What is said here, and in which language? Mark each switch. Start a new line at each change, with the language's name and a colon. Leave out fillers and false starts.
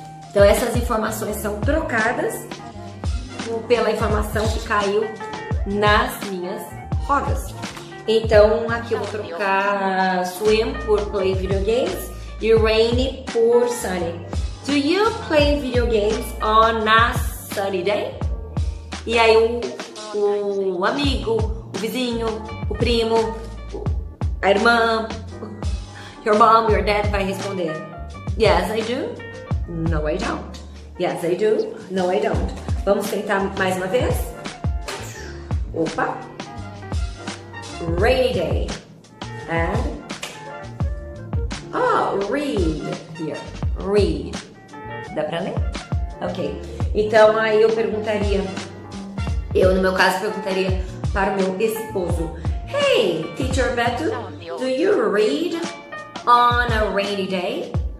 Portuguese: Então essas informações são trocadas pela informação que caiu nas minhas rodas. Então aqui eu vou trocar swim por play video games e rainy por sunny.
English: Do you play video games on a sunny day?
Portuguese: E aí o amigo, o vizinho, o primo, a irmã,
English: your mom, your dad
Portuguese: vai responder.
English: Yes, I do. No, I don't. Yes, I do. No, I don't.
Portuguese: Vamos tentar mais uma vez? Opa! Rainy day.
English: And oh, read here. Read.
Portuguese: Dá pra ler?
English: Ok.
Portuguese: Então aí eu perguntaria. Eu no meu caso perguntaria para o meu esposo.
English: Hey, teacher Beto, do you read on a rainy day?